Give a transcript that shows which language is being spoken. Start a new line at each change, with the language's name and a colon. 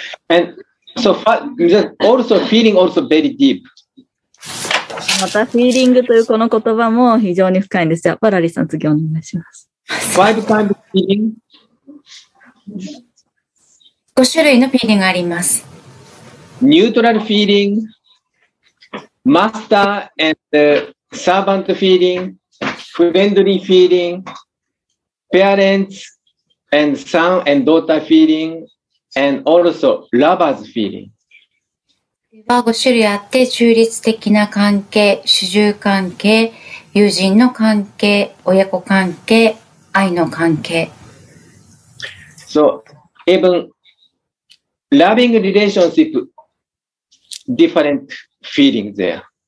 English: And so also feeling also very deep.
Japanese: また feeling というこの言葉も非常に深いんですよ。パラリさん次お願いします。
English: Five kinds of feeling?
Japanese: 5種類のフィーリングがあります。
English: Neutral feeling, master and servant feeling, friendly feeling, parents and son and daughter feeling and also lovers feeling.
Japanese: では5種類あって、中立的な関係、主従関係、友人の関係、親子関係、愛の関係。
English: So, even loving relationship, different feeling there.